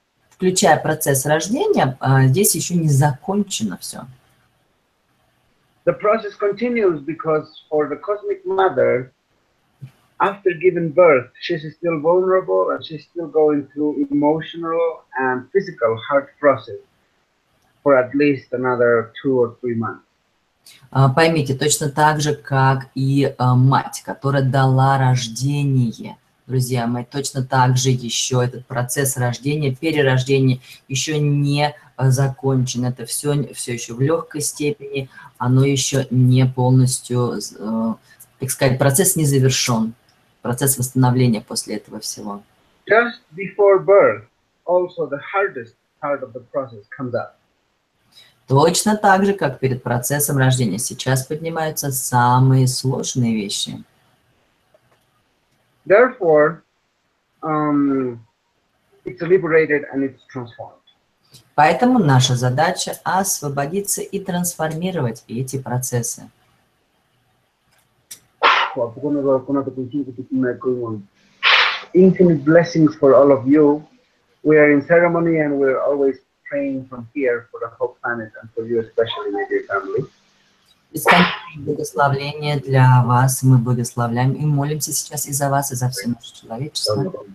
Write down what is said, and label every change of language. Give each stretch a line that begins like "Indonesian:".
Russian: Включая процесс рождения, здесь еще не закончено все.
English: The process continues because for the cosmic mother, after giving birth, she is still vulnerable and she's still going through emotional and physical hard process for at least another 2 or 3 months.
Russian: Поймите, точно так же, как и мать, которая дала рождение, друзья мои, точно так же еще этот процесс рождения, перерождения еще не закончен. Это все еще в легкой степени, оно еще не полностью, так сказать, процесс не завершен. Процесс восстановления после этого всего.
English: Just before birth, also the hardest part of the process comes up.
Russian: Точно так же, как перед процессом рождения, сейчас поднимаются самые сложные вещи.
English: Therefore, it's liberated and it's transformed.
Russian: Поэтому наша задача – освободиться и трансформировать эти процессы.
English: Infinite blessings for all of you. We are in ceremony and we're always praying from here for the whole planet and for you especially, my dear family.
Russian: Благословение для вас. Мы благословляем и молимся сейчас и за вас, и за все наше человечество.